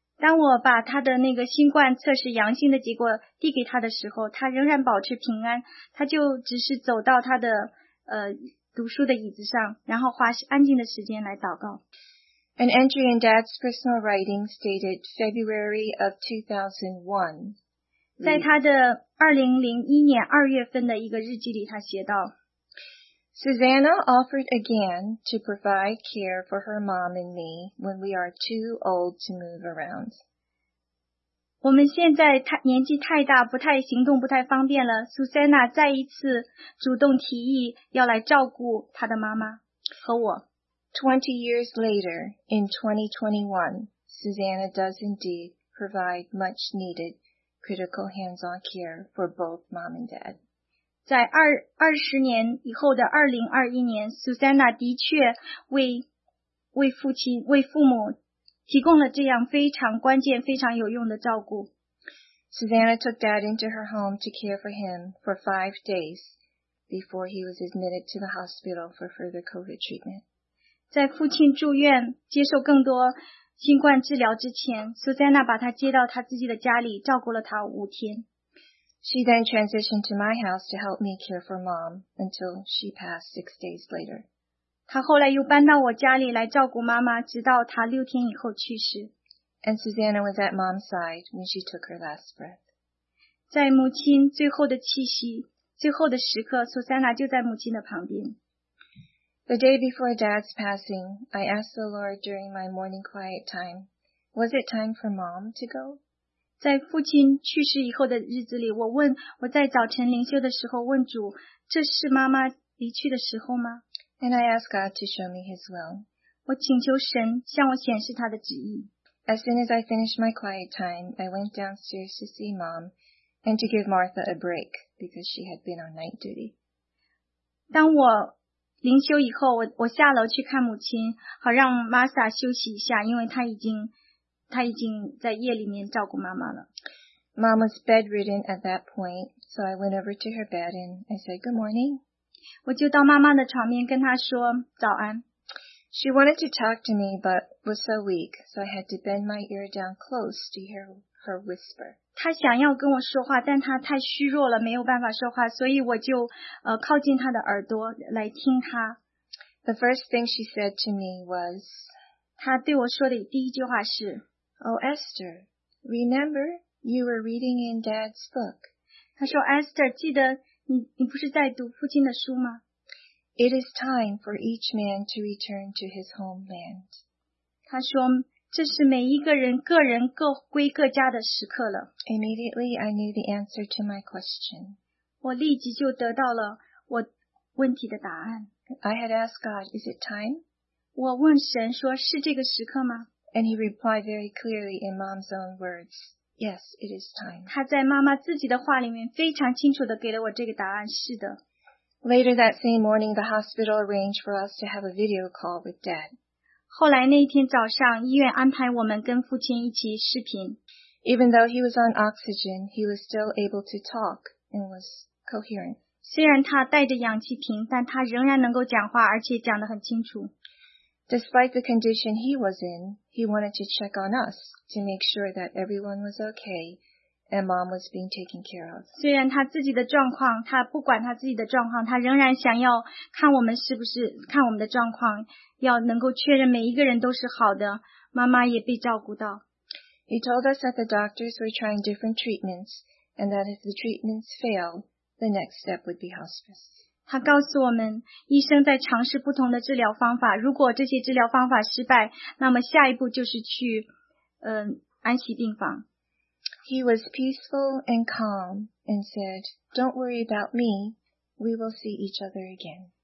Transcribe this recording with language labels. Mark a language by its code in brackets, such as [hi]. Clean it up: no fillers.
[zh] 当我把他的那个新冠测试阳性的结果递给他的时候，他仍然保持平安，他就只是走到他的读书的椅子上，然后花安静的时间来祷告。 [en] An entry in Dad's personal writing stated February of 2001. [zh] 在他的2001年2月份的一个日记里，他写道， [en] Susanna offered again to provide care for her mom and me when we are too old to move around. [zh] 我们现在年纪太大，不太行动，不太方便了。 Susanna 再一次主动提议要来照顾她的妈妈和我。 [en] 20 years later, in 2021, Susanna does indeed provide much needed critical hands-on care for both mom and dad. [zh] 在20年以后的2021年， Susanna 的确为父母提供了这样非常关键，非常有用的照顾。 [en] Susanna took dad into her home to care for him for 5 days before he was admitted to the hospital for further COVID treatment. [zh] 在父亲住院接受更多新冠治疗之前， Susanna 把他接到他自己的家里照顾了他5天。 [en] She then transitioned to my house to help me care for mom until she passed 6 days later. [zh] 他后来又搬到我家里来照顾妈妈，直到他6天以后去世。 [en] And Susanna was at mom's side when she took her last breath. [zh] 在母亲最后的气息，最后的时刻， Susanna 就在母亲的旁边。 [en] The day before Dad's passing, I asked the Lord during my morning quiet time, was it time for mom to go? [zh] 在父亲去世以后的日子里，我在早晨灵修的时候问主，这是妈妈离去的时候吗？ [en] And I asked God to show me his will. [zh] 我请求神向我显示他的旨意。 [en] As soon as I finished my quiet time, I went downstairs to see mom and to give Martha a break because she had been on night duty. [zh] 当我灵修以后，我下楼去看母亲，好让玛莎休息一下，因为她已经在夜里面照顾妈妈了。 [en] Mom was bedridden at that point, so I went over to her bed and I said, good morning. [zh] 我就到妈妈的床边跟她说早安。 [en] She wanted to talk to me, but was so weak, so I had to bend my ear down close to hear her whisper. [zh] 她想要跟我说话，但她太虚弱了，没有办法说话，所以我就靠近她的耳朵来听她。 [en] The first thing she said to me was, [zh] 她对我说的第一句话是, [en] Oh, Esther, remember you were reading in Dad's book? [zh] 她说, Esther, 记得你不是在读父亲的书吗? [en] It is time for each man to return to his homeland. [zh] 他说，这是每一个人个人各归各家的时刻了。 [en] Immediately, I knew the answer to my question. [zh] 我立即就得到了我问题的答案。 [en] I had asked God, is it time? [zh] 我问神说，是这个时刻吗？ [en] And he replied very clearly in Mom's own words, yes, it is time. [zh] 他在妈妈自己的话里面非常清楚地给了我这个答案，是的。 [en] Later that same morning, the hospital arranged for us to have a video call with Dad. [zh] 后来那一天早上，医院安排我们跟父亲一起视频。 [en] Even though he was on oxygen, he was still able to talk and was coherent. [zh] 虽然他带着氧气瓶，但他仍然能够讲话，而且讲得很清楚。 [en] Despite the condition he was in, he wanted to check on us to make sure that everyone was okay. And mom was being taken care of. [zh] 虽然他自己的状况，他不管他自己的状况，他仍然想要看我们是不是看我们的状况，要能够确认每一个人都是好的，妈妈也被照顾到。 [en] He told us that the doctors were trying different treatments, and that if the treatments failed, the next step would be hospice. [zh] 他告诉我们，医生在尝试不同的治疗方法，如果这些治疗方法失败，那么下一步就是去，安息病房。 [en] He was peaceful and calm and said, Don't worry about me, we will see each other again.